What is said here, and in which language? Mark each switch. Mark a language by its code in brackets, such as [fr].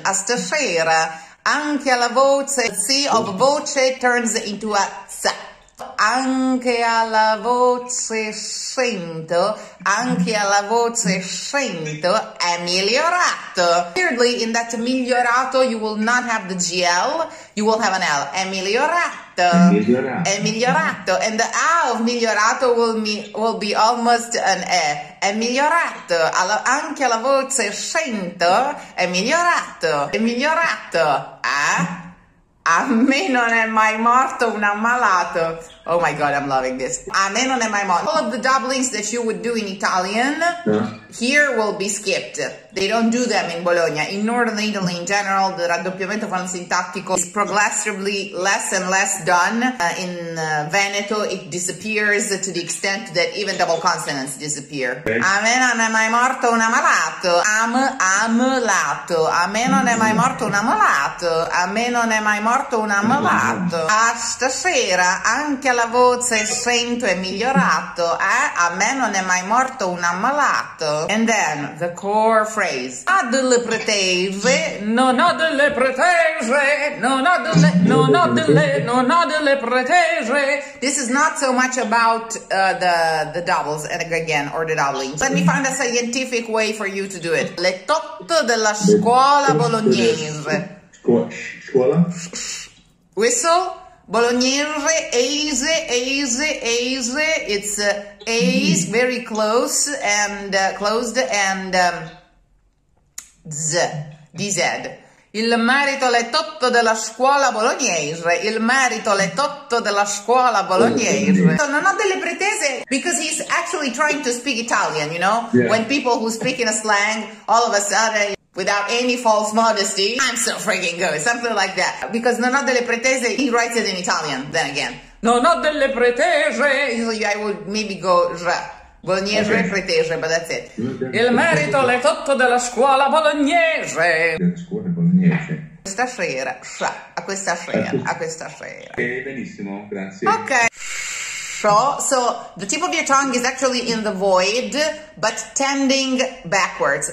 [it] A stasera, anche alla voce, [en] of voce turns into a z. [it] Anche alla voce sento, anche alla voce sento, è migliorato. [en] Weirdly, in that migliorato, you will not have the GL, you will have an L. [it] È migliorato. È migliorato. [en] And the A of migliorato will be almost an E. [it] È migliorato. Alla, anche alla voce sento, è migliorato. È migliorato. Eh? A me non è mai morto un ammalato. [en] Oh my God, I'm loving this. [it] A me non è mai mo- [en] all of the doublings that you would do in Italian, yeah, here will be skipped. They don't do them in Bologna. In Northern Italy, in general, the raddoppiamento fonosintattico is progressively less and less done. In Veneto, it disappears to the extent that even double consonants disappear. Okay. [it] A me non è mai morto un ammalato. Ammalato. A me non è mai morto un ammalato. A me non è mai morto un ammalato. A stasera, anche la voce sento è migliorato. A me non è mai morto un ammalato. [en] And then, the core phrase. [it] Ha delle pretese, non ho delle pretese, non ho delle, non ho delle, non ho delle pretese. [en] This is not so much about the doubles and again or the doublings. Let me find a scientific way for you to do it. [it] Le tot della scuola bolognese. Scuola? [en] Whistle? Bolognese, eise, eise, eise. It's eise, very close and closed and z, dz. [it] Il merito le totto della scuola bolognese. Il merito le totto della scuola bolognese. [en] So [it] non ho delle pretese. [en] Because he's actually trying to speak Italian, you know? Yeah. When people who speak in a slang, all of a sudden, without any false modesty, I'm so freaking good, something like that. Because [it] non ho delle pretese, [en] he writes it in Italian, then again. [it] Non ho delle pretese. [en] So yeah, I would maybe go r. Bolognese, okay. Pretese, but that's it. [it] Il merito le totto della scuola bolognese. Della scuola bolognese. Questa sera, a questa sera, a questa sera. Benissimo, grazie. [en] Okay. So the tip of your tongue is actually in the void, but tending backwards.